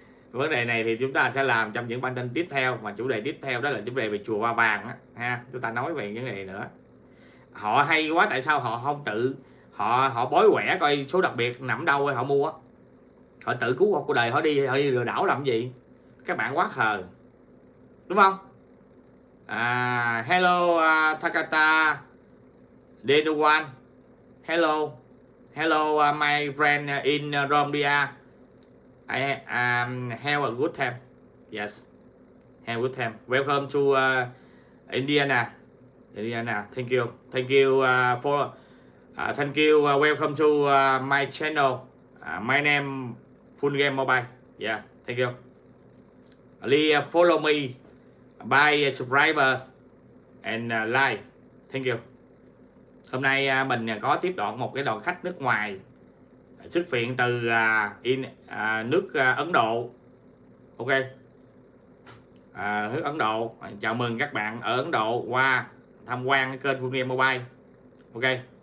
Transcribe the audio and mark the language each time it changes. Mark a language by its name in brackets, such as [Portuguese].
[Vietnamese] Vấn đề này thì chúng ta sẽ làm trong những bản tin tiếp theo, mà chủ đề tiếp theo đó là chủ đề về chùa Ba Vàng ha, chúng ta nói về vấn đề nữa. Họ hay quá, tại sao họ không tự họ bói quẻ coi số đặc biệt nằm đâu rồi họ mua, họ tự cứu cuộc đời họ đi, họ đi lừa đảo làm gì, các bạn quá khờ đúng không. [English] Hello Takata Denuwan, hello my friend in Romania, I have a good time, yes, have a good time, welcome to Indiana, thank you for thank you, welcome to my channel, my name Full Game Mobile, yeah, thank you. Please follow me by subscribe and like, thank you. [Vietnamese] Hôm nay mình có tiếp đón một cái đoàn khách nước ngoài xuất viện từ nước Ấn Độ, ok, nước Ấn Độ, chào mừng các bạn ở Ấn Độ qua tham quan kênh Full Game Mobile, ok.